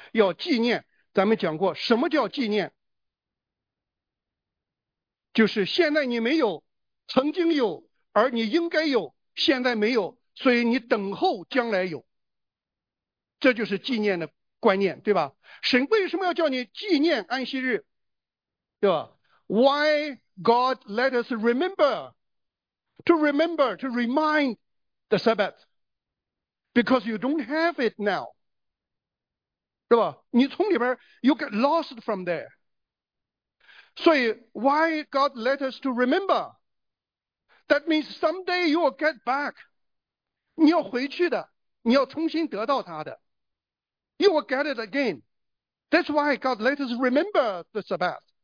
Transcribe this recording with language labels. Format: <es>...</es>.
<zh>要纪念，咱们讲过，什么叫纪念？就是现在你没有，曾经有，而你应该有，现在没有，所以你等候将来有。这就是纪念的观念，对吧？神为什么要叫你纪念安息日，对吧？</zh> <en>Why God let us remember to remember to remind the Sabbath? Because you don't have it now，</en> <zh>对吧？你从里边</zh> <en>you get lost from there。</en> <zh>所以</zh> <en>Why God let us to remember? That means someday you will get back。</en> <zh>你要回去的，你要重新得到它的。</zh> <en>You will get it again. That's why God let us remember the Sabbath.</en>